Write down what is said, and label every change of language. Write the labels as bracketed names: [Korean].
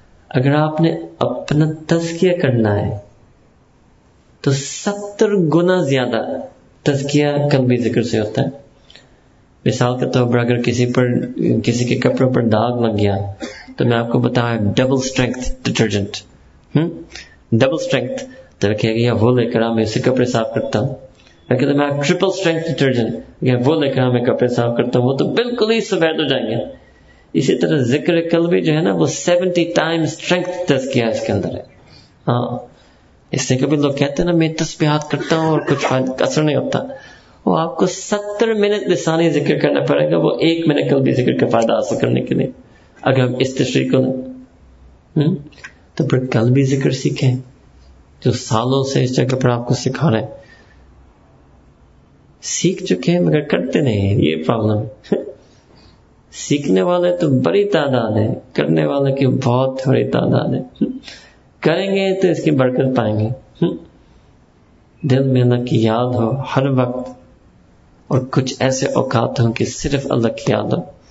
[Hindi] अगर आपने अपना तज़किया करना है तो 70 गुना ज्यादा तज़किया कल्बी जिक्र से होता है. मिसाल के तौर पर अगर किसी पर, किसी के कपड़ों पर दाग लग गया तो मैं आपको बताया double strength detergent, double strength, तो रखिएगा वो लेकर मैं उसे कपड़े साफ करता हूं, [English] I could have triple strength detergent. [Hindi] Yeah, wo lekhame kapde saaf karta hu, to bilkul hi safed ho jayenge. Isi tarah zikr kalbi jo hai na, wo 70 times strength tazkiya iske andar hai. Haan. Isse kabhi log kehte na, main tasbihat karta hu aur kuch asar nahi hota. Wo aapko 70 minute lisani zikr karna padega, wo 1 minute kalbi zikr ka fayda hasil karne ke liye. Agar hum is tashreeh ko to phir kalbi zikr seekhein. Jo saalon se is jagah par aapko sikha rahe hain. सीख चुके हैं मगर करते नहीं, ये problem. सीखने वाले तो बड़ी तादाद है, करने वाले की बहुत थोड़ी तादाद है. करेंगे तो इसकी बरकत पाएंगे. दिल में अल्लाह की याद हो हर वक्त, और कुछ ऐसे औकात हों कि सिर्फ अल्लाह की याद हो.